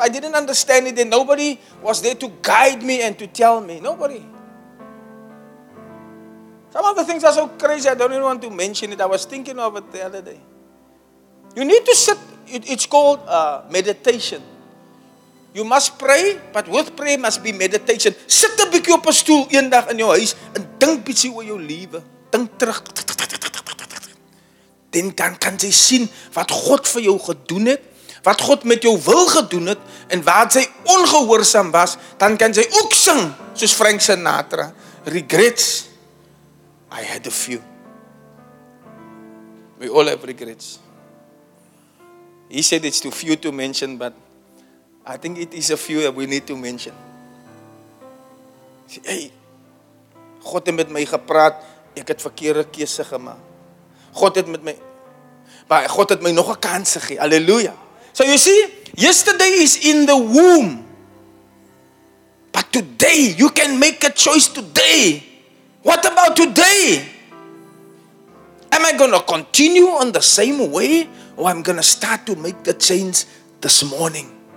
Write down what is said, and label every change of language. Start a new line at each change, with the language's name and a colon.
English: I didn't understand it. And nobody was there to guide me and to tell me. Nobody. Some of the things are so crazy, I don't even want to mention it. I was thinking of it the other day. You need to sit. It's called meditation. You must pray, but with prayer must be meditation. Sit a bit
Afrikaans: op 'n stoel een dag in jou huis en dink bietjie oor jou lewe. Dink terug. Dan kan jy sien wat God vir jou gedoen het, wat God met jou wil gedoen het en waar jy ongehoorsaam was, dan kan jy ook sing soos Frank Sinatra,
English: regrets I had a few. We all have regrets. He said it's too few to mention, but I think it is a few that we need to mention.
Afrikaans: Hey, God het met my gepraat. Ek het verkeerde keuse gemaak. God het my nog 'n kans gegee. Alleluia.
English: So you see, yesterday is in the womb. But today, you can make a choice today. What about today? Am I going to continue on the same way? Or I'm going to start to make the change this morning?